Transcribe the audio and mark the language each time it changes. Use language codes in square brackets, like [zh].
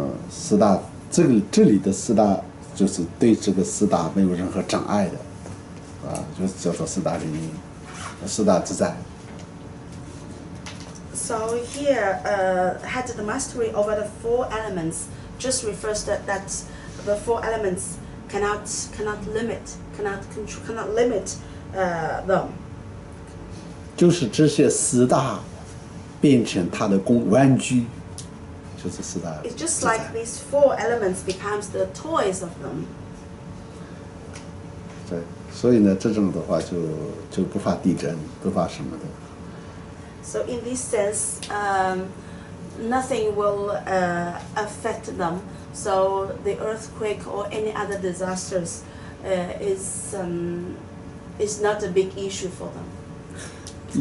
[zh] 四大这里的四大就是对这个四大没有任何障碍的，啊，就是叫做四大人缘，四大自在。 [en] So here, had the mastery over the four elements. Just refers to that the four elements cannot limit them. [zh] 就是这些四大变成它的工玩具，就是四大。 [en] It's just like these four elements becomes the toys of them. [zh] 对，所以呢，这种的话就不怕地震，不怕什么的。 [en] So in this sense, nothing will affect them, so the earthquake or any other disasters is not a big issue for them.